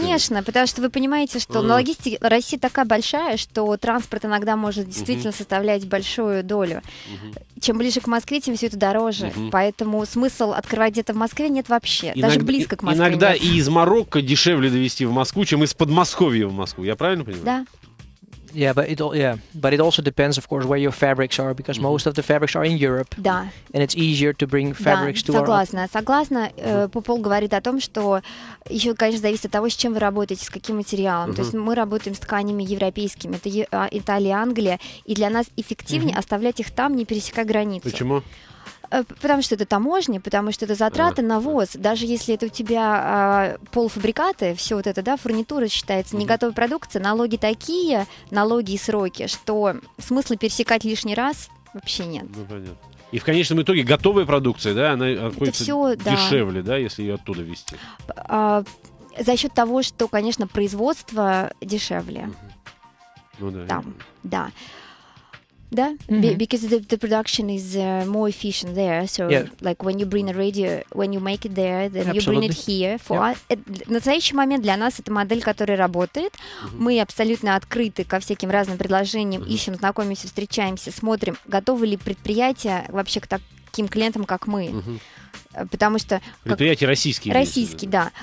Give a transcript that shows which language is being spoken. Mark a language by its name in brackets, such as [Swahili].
[Russian] Конечно, потому что вы понимаете, что на логистике Россия такая большая, что транспорт иногда может действительно составлять большую долю. Чем ближе к Москве, тем все это дороже. Поэтому смысл открывать где-то в Москве нет вообще. Иногда, даже близко к Москве. Иногда нет. И из Марокко дешевле довезти в Москву, чем из Подмосковья в Москву. Я правильно понимаю? Да. [English] Yeah, but it all, yeah, but it also depends, of course, where your fabrics are, because most of the fabrics are in Europe. [Russian] Да. [English] And it's easier to bring fabrics to. [Russian] Да, согласна, согласна. Попол говорит о том, что еще, конечно, зависит от того, с чем вы работаете, с каким материалом. То есть мы работаем с тканями европейскими, это Италия, Англия, и для нас эффективнее оставлять их там, не пересекая границу. Почему? Потому что это таможня, потому что это затраты на ввоз. Даже если это у тебя полуфабрикаты, все вот это, да, фурнитура считается, не готовая продукция, налоги такие, налоги и сроки, что смысла пересекать лишний раз вообще нет. Ну, понятно. И в конечном итоге готовая продукция, да, она отходится все, дешевле, да. Да, если ее оттуда везти. За счет того, что, конечно, производство дешевле. Ну да. Там, да. [English] Да, because the production is more efficient there. So, like when you bring a radio, when you make it there, then you bring it here. [Russian] For в настоящий момент для нас это модель, которая работает. Мы абсолютно открыты ко всяким разным предложениям, ищем, знакомимся, встречаемся, смотрим, готовы ли предприятия вообще к таким клиентам, как мы. Потому что предприятия российские. Российские, да.